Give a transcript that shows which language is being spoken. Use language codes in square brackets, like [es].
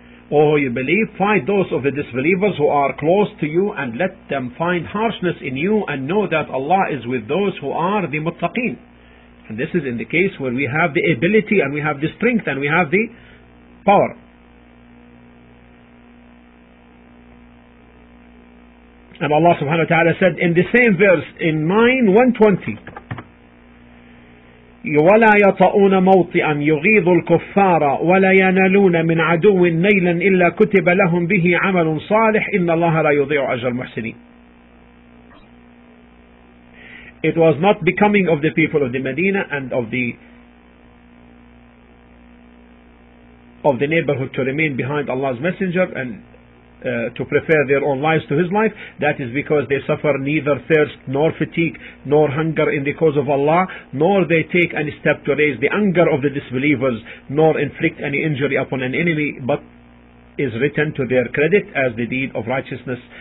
[en] O you believe, fight those of the disbelievers who are close to you, and let them find harshness in you, and know that Allah is with those who are the muttaqeen. And this is in the case where we have the ability, and we have the strength, and we have the power. And Allah subhanahu wa ta'ala said in the same verse, in 9:120, [ar] وَلَا يَطَعُونَ مَوْطِئًا يُغِيظُ الْكُفَّارَ وَلَا يَنَلُونَ مِنْ عَدُوٍ نَيْلًا إِلَّا كُتِبَ لَهُمْ بِهِ عَمَلٌ صَالِحٍ إِنَّ اللَّهَ لَا يُضِيعُ أَجْرَ الْمُحْسِنِينَ. [en] It was not becoming of the people of the Medina and of the neighborhood to remain behind Allah's Messenger and to prefer their own lives to his life. That is because they suffer neither thirst nor fatigue nor hunger in the cause of Allah, nor they take any step to raise the anger of the disbelievers, nor inflict any injury upon an enemy, but is written to their credit as the deed of righteousness.